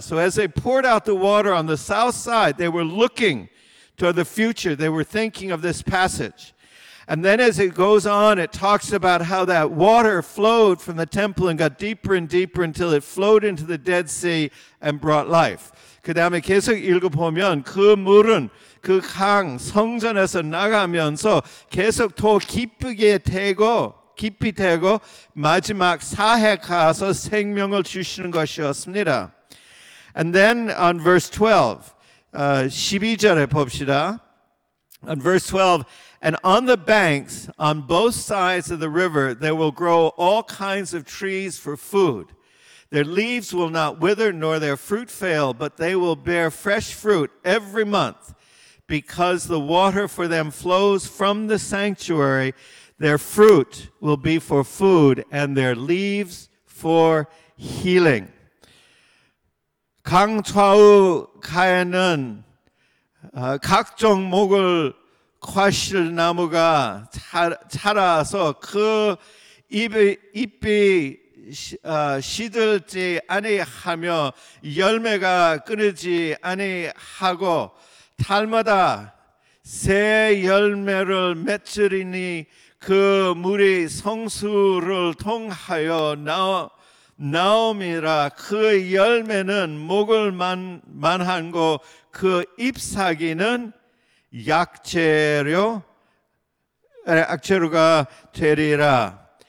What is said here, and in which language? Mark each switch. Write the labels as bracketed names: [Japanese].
[English] So as they poured out the water on the south side, they were looking toward the future. They were thinking of this passage. And then as it goes on, it talks about how that water flowed from the temple and got deeper and deeper until it flowed into the Dead Sea and brought life. [Korean] 그 다음에 계속 읽어보면 그 물은 그 강 성전에서 나가면서 계속 더 깊이 되고 마지막 사해 가서 생명을 주시는 것이었습니다. [English] And then on verse 12, [Korean] 12절에 봅시다. [English] On verse 12, and on the banks, on both sides of the river, there will grow all kinds of trees for food. Their leaves will not wither, nor their fruit fail, but they will bear fresh fruit every month, because the water for them flows from the sanctuary. Their fruit will be for food and their leaves for healing. [Korean] 강 좌우 가에는 각종 목을 과실 나무가 자라서 그 잎이 시들지 아니하며 열매가 끊이지 아니하고 달마다 새 열매를 맺으리니 그 물이 성수를 통하여 나옴이라 그 열매는 먹을 만한고 그 잎사귀는 약재료가 되리라.